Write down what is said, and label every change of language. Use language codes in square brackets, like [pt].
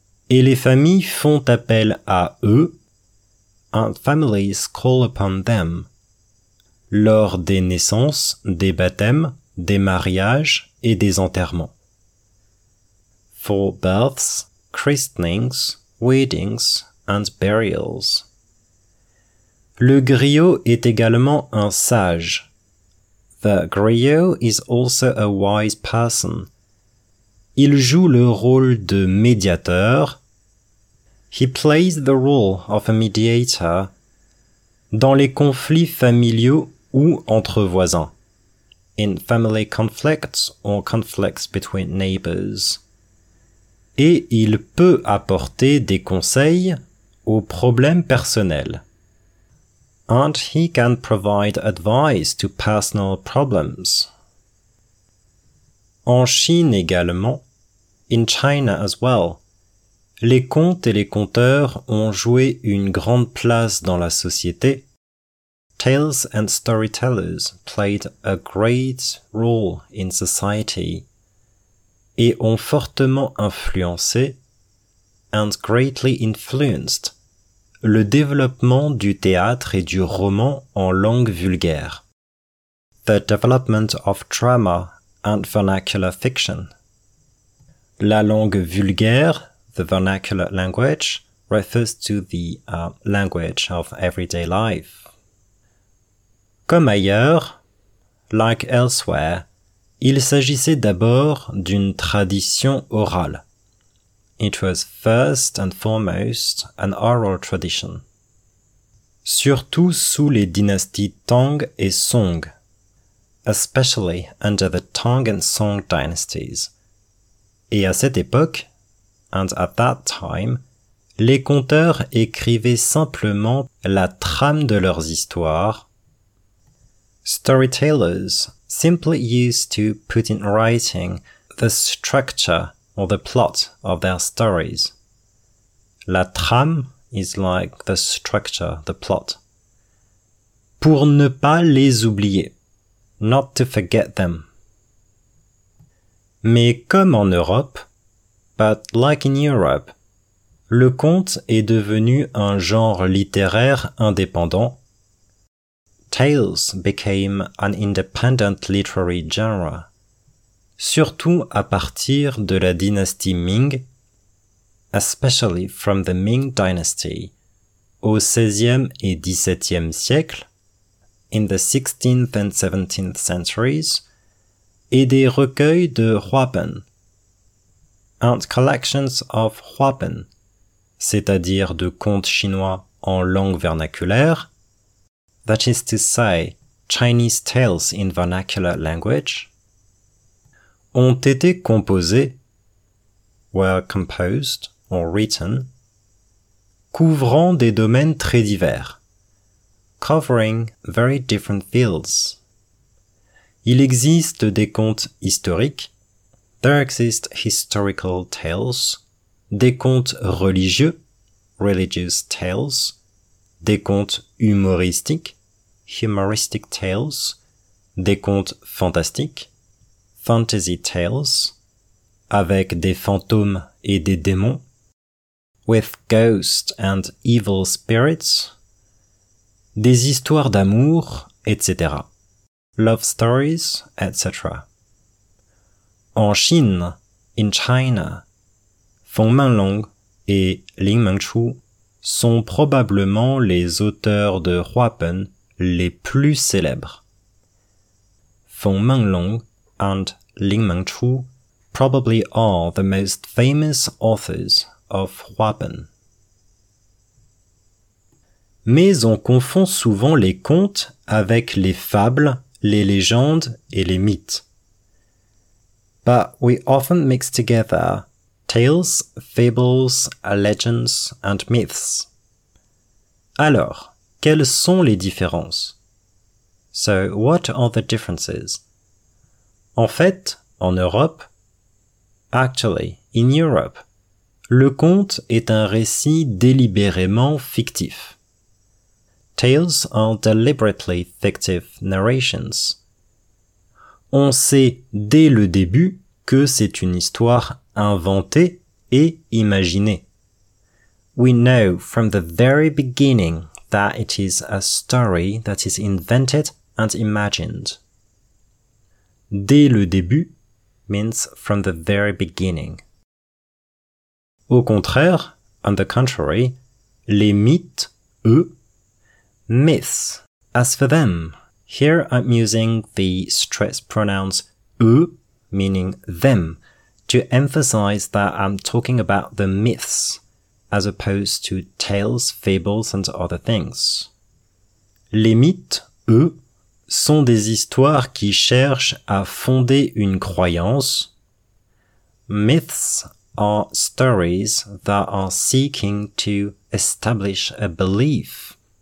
[fr] Et les familles font appel à eux, [en] and families call upon them, [fr] lors des naissances, des baptêmes, des mariages et des enterrements. [en] For births, christenings, weddings and burials. [fr] Le griot est également un sage. [en] The griot is also a wise person. [fr] Il joue le rôle de médiateur. [en] He plays the role of a mediator [fr] dans les conflits familiaux ou entre voisins. [en] In family conflicts or conflicts between neighbors. [fr] Et il peut apporter des conseils aux problèmes personnels. [en] And he can provide advice to personal problems. [fr] En Chine également, [en] in China as well, [fr] les contes et les conteurs ont joué une grande place dans la société. [en] Tales and storytellers played a great role in society [fr] et ont fortement influencé [en] and greatly influenced [fr] le développement du théâtre et du roman en langue vulgaire. [en] The development of drama and vernacular fiction. [fr] La langue vulgaire, [en] the vernacular language, refers to the language of everyday life. [fr] Comme ailleurs, [en] like elsewhere, [fr] il s'agissait d'abord d'une tradition orale. [en] It was first and foremost an oral tradition. [fr] Surtout sous les dynasties Tang et Song. [en] Especially under the Tang and Song dynasties. [fr] Et à cette époque, [en] and at that time, [fr] les conteurs écrivaient simplement la trame de leurs histoires. [en] Storytellers simply used to put in writing the structure or the plot of their stories. La trame is like the structure, the plot. [fr] Pour ne pas les oublier. [en] Not to forget them. [fr] Mais comme en Europe, [en] but like in Europe, [fr] le conte est devenu un genre littéraire indépendant. [en] Tales became an independent literary genre. [fr] Surtout à partir de la dynastie Ming, [en] especially from the Ming dynasty, [fr] au XVIe et XVIIe siècle, [en] in the 16th and 17th centuries, [fr] et des recueils de Huapen, [en] and collections of Huapen, [fr] c'est-à-dire de contes chinois en langue vernaculaire, [en] that is to say, Chinese tales in vernacular language, [fr] ont été composés, [en] were composed or written, [fr] couvrant des domaines très divers, [en] covering very different fields. [fr] Il existe des contes historiques, [en] there exist historical tales, [fr] des contes religieux, [en] religious tales, [fr] des contes humoristiques, [en] humoristic tales, [fr] des contes fantastiques, [en] fantasy tales, [fr] avec des fantômes et des démons, [en] with ghosts and evil spirits, [fr] des histoires d'amour, etc. [en] Love stories, etc. [fr] En Chine, [en] in China, [fr] Feng Menglong et Lin Mengchu sont probablement les auteurs de Huapen les plus célèbres. [en] Feng Menglong and Lin Mengchu probably are the most famous authors of Huapen. [fr] Mais on confond souvent les contes avec les fables, les légendes et les mythes. [en] But we often mix together tales, fables, legends and myths. [fr] Alors, quelles sont les différences? [en] So, what are the differences? [fr] En fait, en Europe, [en] actually, in Europe, [fr] le conte est un récit délibérément fictif. [en] Tales are deliberately fictive narrations. [fr] On sait dès le début que c'est une histoire inventée et imaginée. [en] We know from the very beginning that it is a story that is invented and imagined. [fr] Dès le début [en] means from the very beginning. [fr] Au contraire, [en] on the contrary, [fr] les mythes, eux, [en] myths. As for them, here I'm using the stress pronoun eux, meaning them, to emphasize that I'm talking about the myths, as opposed to tales, fables, and other things. [fr] Les mythes, eux, sont des histoires qui cherchent à fonder une croyance. [en] Myths are stories that are seeking to establish a belief.